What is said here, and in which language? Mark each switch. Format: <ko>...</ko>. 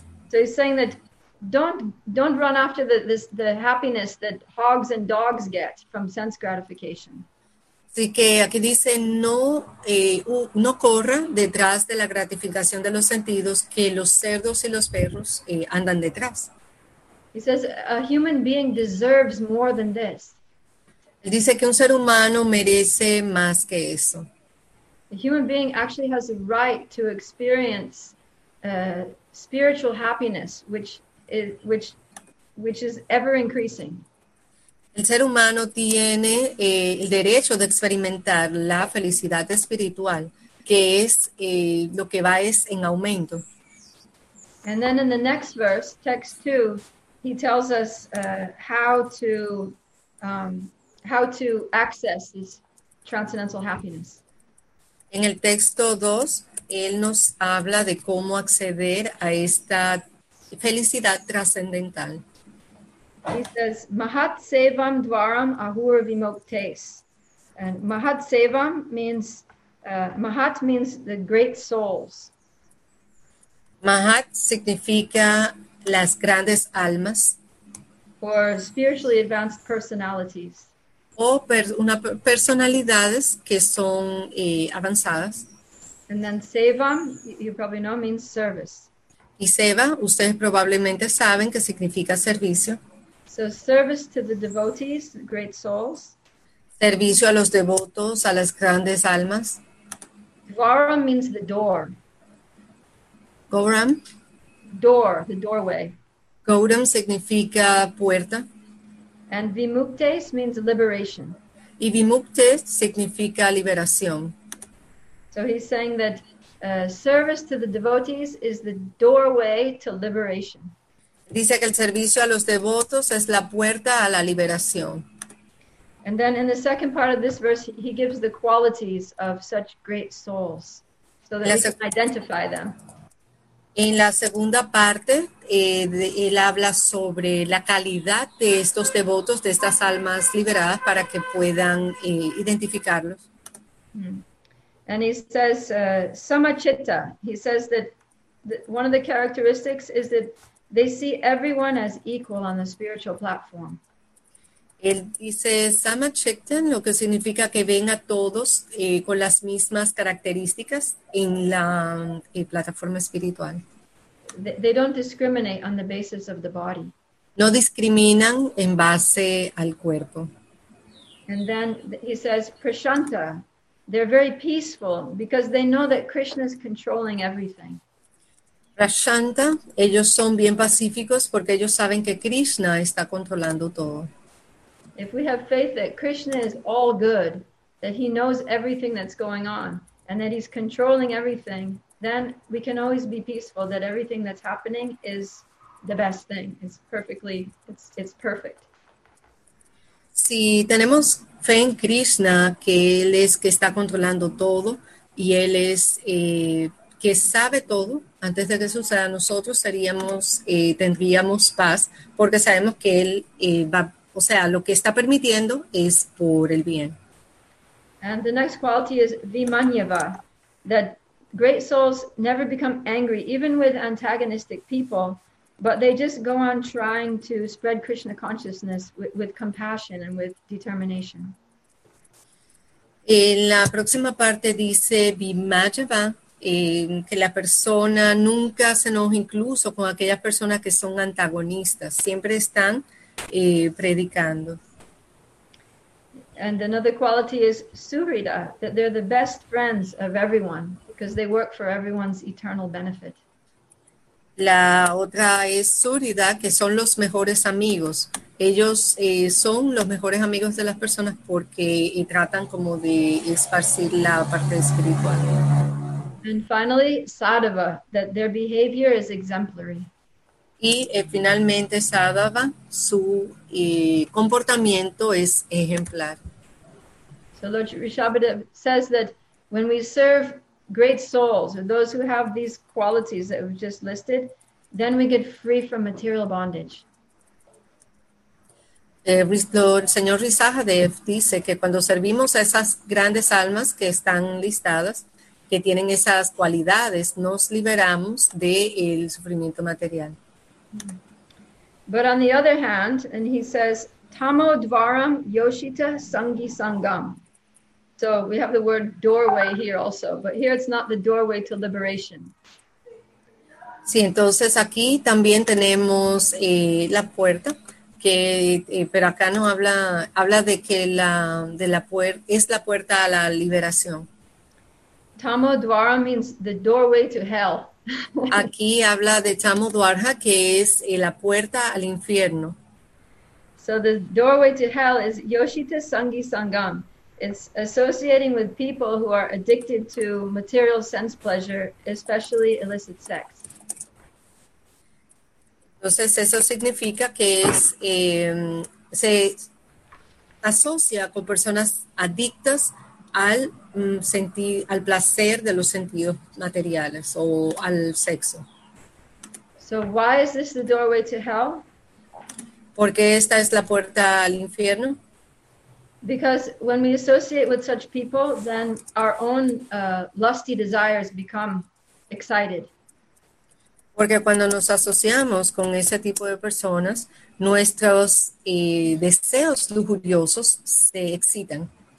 <en>So he's saying that don't run after the happiness that hogs and dogs get from sense gratification.</en> <es>Así que aquí dice, no corra detrás de la gratificación de los sentidos que los cerdos y los perros andan detrás.</es> <en>He says, a human being deserves more than this.</en> <es>Él dice que un ser humano merece más que eso.</es> <en>A human being actually has a right to experience spiritual happiness, which is ever increasing.</en> <es>El ser humano tiene el derecho de experimentar la felicidad espiritual, que es lo que va es en aumento.</es> <en>And then in the next verse, text two, he tells us how to access this transcendental happiness.</en> <es>En el texto 2, él nos habla de cómo acceder a esta felicidad trascendental.</es> <en>He says,</en> <sa>Mahat Sevam Dwaram Ahur Vimoktes.</sa> <en>And Mahat Sevam means, Mahat means the great souls.</en> <es>Mahat significa las grandes almas</es> <en>Or spiritually advanced personalities.</en> <es>o personalidades que son avanzadas.</es> <en>And then Sevam, you probably know, means service.</en> <es>Y Seva, ustedes probablemente saben que significa servicio.</es> <en>So service to the devotees, the great souls.</en> <es>Servicio a los devotos, a las grandes almas.</es> <en>Dvaram means the door.</en> <es>Gauram.</es> <en>Door, the doorway.</en> <es>Gauram significa puerta.</es> <en>And vimuktes means liberation.</en> <es>Y vimukte significa liberación.</es> <en>So he's saying that service to the devotees is the doorway to liberation.</en> <es>Dice que el servicio a los devotos es la puerta a la liberación.</es> <en>And then in the second part of this verse, he gives the qualities of such great souls so that we can identify them.</en> <es>En la segunda parte, él habla sobre la calidad de estos devotos, de estas almas liberadas, para que puedan identificarlos.</es> <en>And he says, samachitta. He says that one of the characteristics is that they see everyone as equal on the spiritual platform.</en> <es>Él dice samachitta, lo que significa que ven a todos con las mismas características en la plataforma espiritual.</es> <en>They don't discriminate on the basis of the body.</en> <es>No discriminan en base al cuerpo.</es> <en>And then he says, Prashanta, they're very peaceful because they know that Krishna is controlling everything.</en> <es>Prashanta, ellos son bien pacíficos porque ellos saben que Krishna está controlando todo.</es> <en>If we have faith that Krishna is all good, that he knows everything that's going on, and that he's controlling everything, then we can always be peaceful that everything that's happening is the best thing. It's perfect.</en> <es>Si tenemos fe en Krishna, que él es que está controlando todo y él es que sabe todo, antes de que suceda, nosotros seríamos, tendríamos paz, porque sabemos que él va, o sea, lo que está permitiendo es por el bien.</es> <en>And the next quality is Vimanyava, that great souls never become angry, even with antagonistic people, but they just go on trying to spread Krishna consciousness with compassion and with determination.</en> <es>En la próxima parte dice Vimanyava, que la persona nunca se enoja incluso con aquellas personas que son antagonistas, siempre están predicando.</es> <en>And another quality is Surida, that they're the best friends of everyone because they work for everyone's eternal benefit.</en> <es>La otra es Surida, que son los mejores amigos. Ellos son los mejores amigos de las personas porque tratan como de esparcir la parte espiritual.</es> <en>And finally, Sadhava, that their behavior is exemplary.</en> <es>Y finalmente, Sadhava, su comportamiento es ejemplar.</es> <en>So Lord Rishabhadev says that when we serve great souls, or those who have these qualities that we've just listed, then we get free from material bondage.</en> <es>Señor Rishabhadev dice que cuando servimos a esas grandes almas que están listadas, que tienen esas cualidades, nos liberamos del sufrimiento material.</es> <en>But on the other hand, and he says,</en> <sa>Tamo Dvaram Yoshita Sangi Sangam.</sa> <en>So we have the word doorway here also, but here it's not the doorway to liberation.</en> <es>Sí, entonces aquí también tenemos la puerta, que pero acá no habla de que es la puerta a la liberación.</es> <en>Tamo Dvara means the doorway to hell.</en> <es>Aquí habla de Tamo Dvara, que es la puerta al infierno.</es> <en>So the doorway to hell is</en> <sa>Yoshita Sangi Sangam.</sa> <en>It's associating with people who are addicted to material sense pleasure, especially illicit sex.</en> <es>Entonces eso significa que es se asocia con personas adictas al al placer de los sentidos materiales o al sexo.</es> <en>So why is this the doorway to hell?</en> <es>Porque esta es la puerta al infierno.</es> <en>Because when we associate with such people, then our own lusty desires become excited.</en> <es>Porque cuando nos asociamos con ese tipo de personas, nuestros deseos lujuriosos se excitan.</es>